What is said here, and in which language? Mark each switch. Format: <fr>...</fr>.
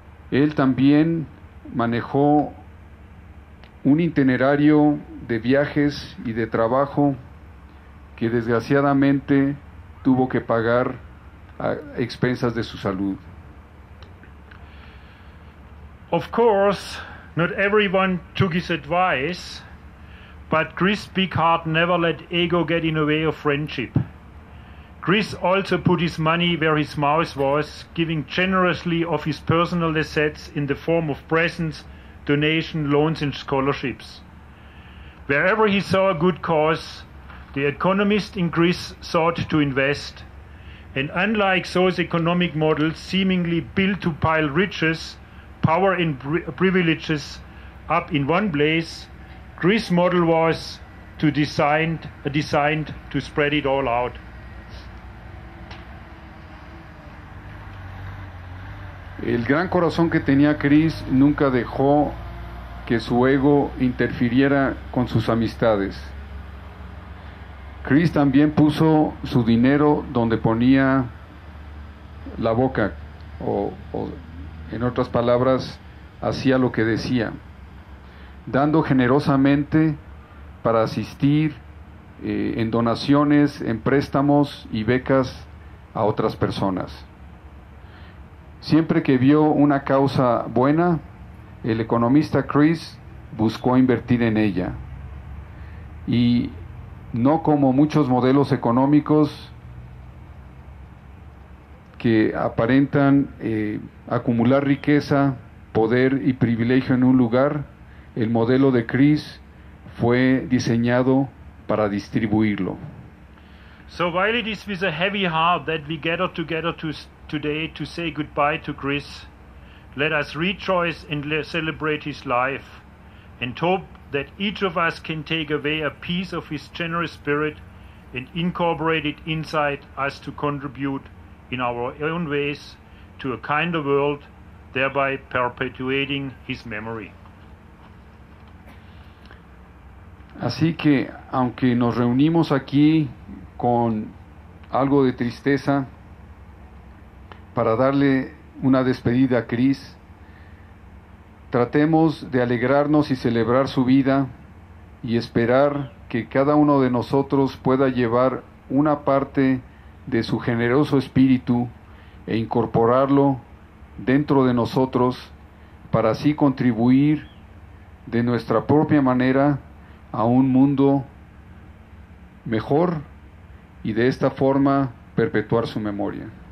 <es>Él también manejó un itinerario de viajes y de trabajo que desgraciadamente tuvo que pagar a expensas de su salud.</es> <en>Of course, not everyone took his advice, but Chris' big heart never let ego get in the way of friendship. Chris also put his money where his mouth was, giving generously of his personal assets in the form of presents, donations, loans, and scholarships. Wherever he saw a good cause, the economist in Chris sought to invest. And unlike those economic models seemingly built to pile riches, power, and privileges up in one place, Chris' model was designed to spread it all out.</en> <es>El gran corazón que tenía Chris nunca dejó que su ego interfiriera con sus amistades. Chris también puso su dinero donde ponía la boca, o en otras palabras, hacía lo que decía, dando generosamente para asistir en donaciones, en préstamos y becas a otras personas. Siempre que vio una causa buena, el economista Chris buscó invertir en ella. Y no como muchos modelos económicos que aparentan acumular riqueza, poder y privilegio en un lugar, el modelo de Chris fue diseñado para distribuirlo.</es> <en>So while it is with a heavy heart that we gather together today to say goodbye to Chris, let us rejoice and celebrate his life and hope that each of us can take away a piece of his generous spirit and incorporate it inside us to contribute in our own ways to a kinder world, thereby perpetuating his memory.</en> <es>Así que, aunque nos reunimos aquí con algo de tristeza para darle una despedida a Chris, tratemos de alegrarnos y celebrar su vida y esperar que cada uno de nosotros pueda llevar una parte de su generoso espíritu e incorporarlo dentro de nosotros para así contribuir de nuestra propia manera a un mundo mejor y de esta forma perpetuar su memoria.</es>